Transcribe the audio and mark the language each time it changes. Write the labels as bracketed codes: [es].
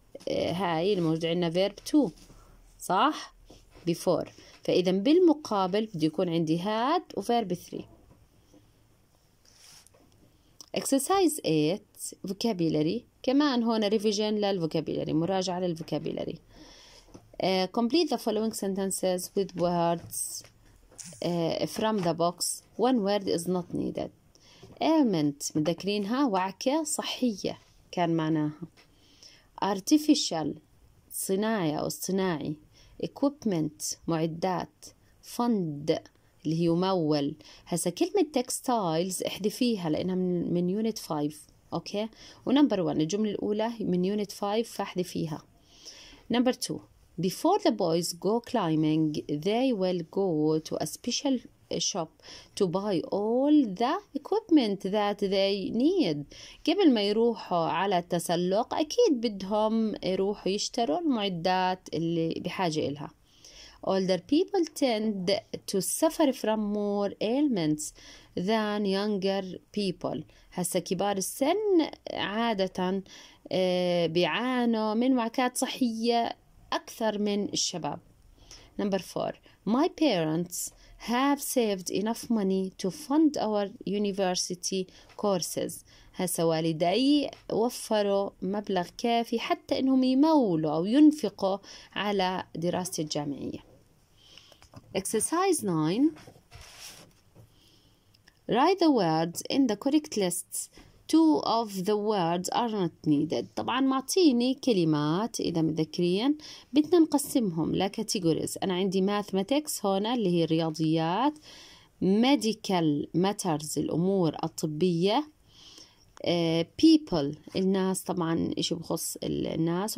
[ar] هاي الموجود عندنا verb to. صح؟ before. فإذا بالمقابل بدي يكون عندي had و verb 3. [en] exercise 8 vocabulary. [ar] كمان هون revision للvocabulary، مراجعة للvocabulary. [en] Complete the following sentences with words from the box. One word is not needed. [ar] ailment متذكرينها؟ وعكة صحية كان معناها. artificial صناعي أو اصطناعي. equipment معدات. fund اللي هي ممول. هسا كلمة textiles احذفيها لأنها من unit 5. اوكي. ونمبر 1 الجملة الأولى من unit 5 فاحذفيها. [en] Number 2 before the boys go climbing they will go to a special shop to buy all the equipment that they need. [ar] قبل ما يروحوا على التسلق أكيد بدهم يروحوا يشتروا المعدات اللي بحاجة إلها. [en] Older people tend to suffer from more ailments than younger people. [ar] هسا كبار السن عادة بيعانوا من معكات صحية أكثر من الشباب. [en] Number 4 My parents have saved enough money to fund our university courses. [ar] هسا والدي وفروا مبلغ كافي حتى انهم يمولوا او ينفقوا على دراستي الجامعية. [en] Exercise 9 write the words in the correct list. Two of the words are not needed. [ar] طبعا معطيني كلمات إذا متذكرين بدنا نقسمهم لكاتيجوريز. أنا عندي mathematics هنا اللي هي الرياضيات. [en] medical matters [ar] الأمور الطبية. people الناس طبعا إشي بخص الناس.